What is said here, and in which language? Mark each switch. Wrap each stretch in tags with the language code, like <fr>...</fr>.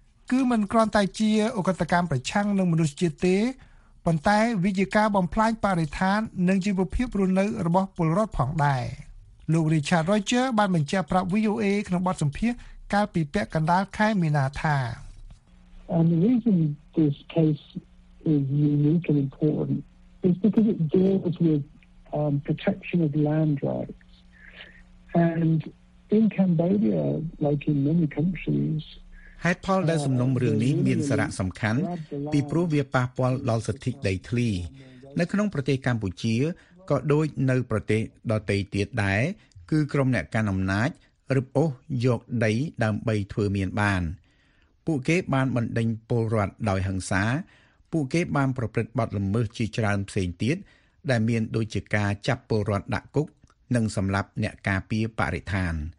<km>គឺមិនគ្រាន់តែជាអង្គការប្រឆាំងនឹងមនុស្សជាតិទេប៉ុន្តែវាជាការបំផ្លាញបរិស្ថាននិងជីវភាពរស់នៅរបស់ពលរដ្ឋផងដែរលោក Richard Roger បានបញ្ជាក់ប្រាប់ VOA ក្នុងបទសម្ភាសន៍កាលពីពាក់កណ្ដាលខែមីនាថា</km> <en>And the reason this case is unique and important is because it deals with protection of land rights and In Cambodia, like in many countries,</en> <km>ហេតុផលដែលសំណុំរឿងនេះមានសារៈសំខាន់ពីព្រោះវាប៉ះពាល់ដល់សិទ្ធិដីធ្លីនៅក្នុងប្រទេសកម្ពុជាក៏ដូចនៅប្រទេសដទៃទៀតដែរគឺក្រុមអ្នកកាន់អំណាចរឹបអូសយកដីដើម្បីធ្វើមានបានពួកគេបានបណ្ដេញពលរដ្ឋដោយហិង្សាពួកគេបានប្រព្រឹត្តបទល្មើសជាច្រើនផ្សេងទៀតដែលមានដូចជាការចាប់ពលរដ្ឋដាក់គុកនិងសម្លាប់អ្នកការពារបរិស្ថាន</km>